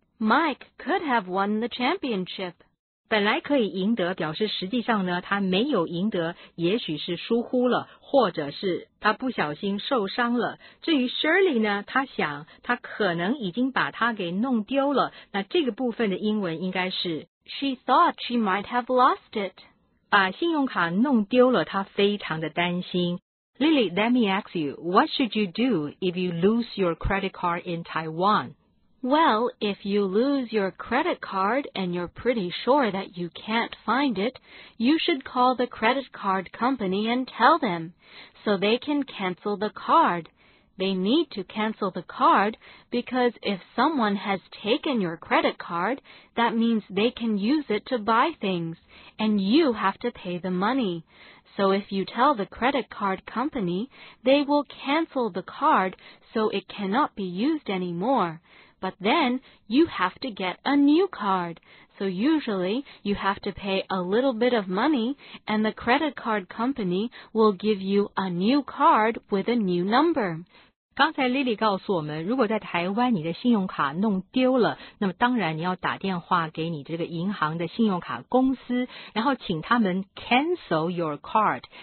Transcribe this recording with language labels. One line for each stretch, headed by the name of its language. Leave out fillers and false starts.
English: Mike could have won the championship.
Chinese: 本来可以赢得表示实际上呢他没有赢得，也许是疏忽了，或者是他不小心受伤了。至于 Shirley 呢，他想他可能已经把他给弄丢了，那这个部分的英文应该是 She thought she might have lost it. 把信用卡弄丢了，他非常的担心。
English: Lily, let me ask you, what should you do if you lose your credit card in Taiwan? Well, if you lose your credit card and you're pretty sure that you can't find it, you should call the credit card company and tell them, so they can cancel the card. They need to cancel the card because if someone has taken your credit card, that means they can use it to buy things, and you have to pay the money. So if you tell the credit card company, they will cancel the card so it cannot be used anymore. But then, you have to get a new card. So usually, you have to pay a little bit of money, and the credit card company will give you a new card with a new number.
Chinese: 刚才 Lily 告诉我们，如果在台湾你的信用卡弄丢了，那么当然你要打电话给你这个银行的信用卡公司，然后请他们
English: cancel your card。